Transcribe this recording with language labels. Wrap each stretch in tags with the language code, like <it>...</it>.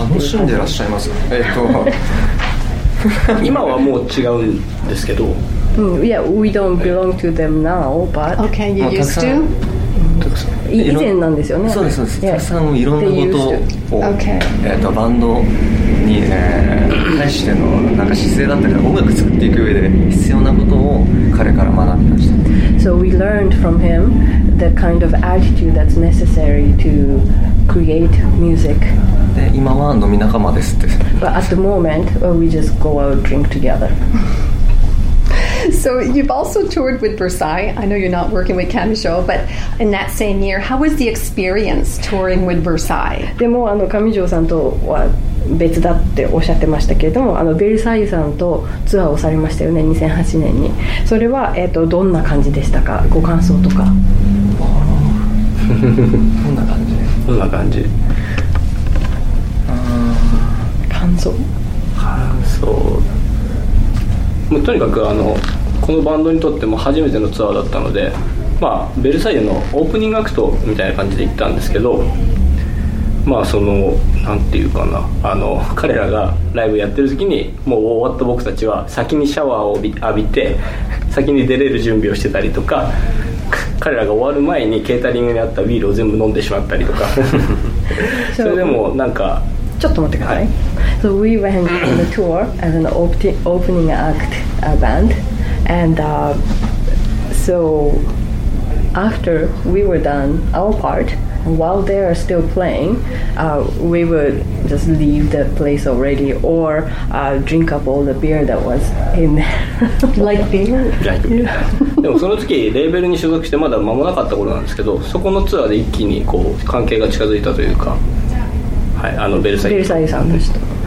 <ja>楽しんでいらっしゃいます。今はもう違うんですけど。</ja> <en>Yeah, we don't belong to them now, but okay, you used to.</en> <ja>以前なんですよね。そうですそうです。たくさんいろんなことを、</ja> <en>okay.</en> <ja>バンドに、対してのなんか姿勢だったり、音楽作っていく上で必要なことを彼から学びました。</ja> <en>So we learned from him the kind of attitude that's necessary to create music.</en> <ja>で今は飲み仲間ですって。</ja> <en>But at the moment, we just go out drink together. So you've also toured with Versailles. I know you're not working with Camijo, but in that same year, how was the experience touring with Versailles?</en> <ja>でもあの Camijo さんとは別だっておっしゃってましたけれども、あのベルサイユさんとツアーをされましたよね、2008年に。それはどんな感じでしたか？ご感想とか。どんな感じ？どんな感じ？感想？感想。もうとにかくあのこのバンドにとっても初めてのツアーだったので、まあベルサイユのオープニングアクトみたいな感じで行ったんですけど、まあそのなんていうかな、あの彼らがライブやってる時にもう終わった僕たちは先にシャワーを浴びて先に出れる準備をしてたりとか、彼らが終わる前にケータリングにあったビールを全部飲んでしまったりとかそれでもなんかちょっと待ってください、はい、</ja> <en>So we went on a tour as an opening act band, and so after we were done our part, while they are still playing, we would just leave the place already or drink up all the beer that was in there. Like beer?</en> <ja>でもその時レーベルに所属してまだ間もなかった頃なんですけど、そこのツアーで一気にこう関係が近づいたというか、はい、あのベルサイユ、ベルサイユさんでした。</ja>